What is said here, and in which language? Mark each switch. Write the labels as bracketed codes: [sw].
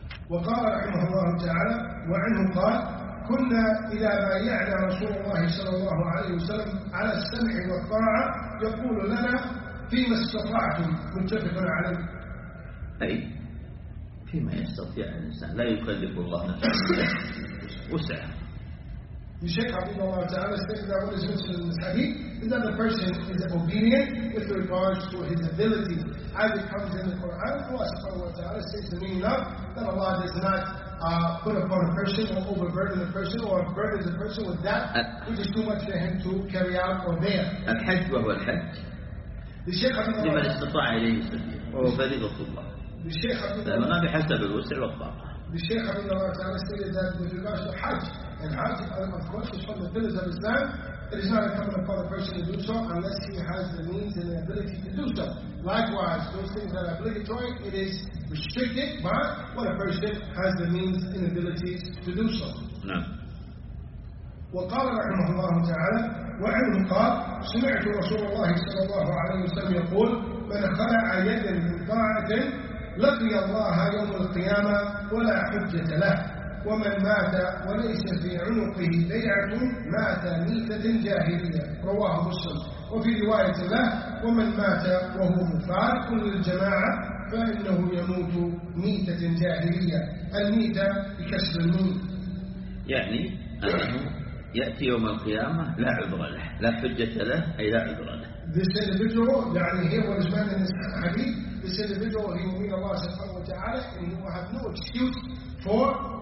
[ar] وقال رحمه الله تعالى وعنه قال كنا إلى ما يعلى رسول الله صلى الله عليه وسلم على السمع والطاعة يقول لنا فيما استطعتم. متفق عليه. أي فيما يستطيع الإنسان، لا يكلف الله نفسه وسعا. [en] الشيخ عبد الله تعالى stated that what is mentioned in this hadith is that the person is obedient with regards to his ability. As it comes in the Quran, Allah subhanahu wa ta'ala states the meaning of that Allah does not put upon a person or overburden a person or burden the person with that which is too much for him to carry out or bear. [ar] الحج وهو الحج. [en] The Shaykh عبد الله [ar] لمن استطاع إليه سبيل وهو فريضة الله. [en] The Shaykh عبد الله [ar] لمن بحسب الوسع والطاقة. [en] The Shaykh عبد الله تعالى stated that with regards to Hajj. And Hajj, of course, is from the pillars of Islam. It is not incumbent upon a person to do so unless he has the means and the ability to do so. Likewise, those things that are obligatory, it is restricted by what a person has the means and abilities to do so. No. [ar] وقال رحمه الله تعالى وعنه قال سمعت رسول الله صلى الله عليه وسلم يقول من خلع يدا من طاعة لقي الله يوم القيامة ولا حجة له. ومن مات وليس في عنقه بيعة مات ميتة جاهلية. رواه مسلم. وفي رواية له ومن مات وهو مفارق للجماعة فإنه يموت ميتة جاهلية. الميتة بكسر النون. يعني أنه يأتي يوم القيامة لا عذر له، لا حجة له، أي لا عذر له. [en] This individual, يعني here what is meant in this hadith, this individual, he will meet Allah [ar] سبحانه وتعالى [en] and he will have no excuse for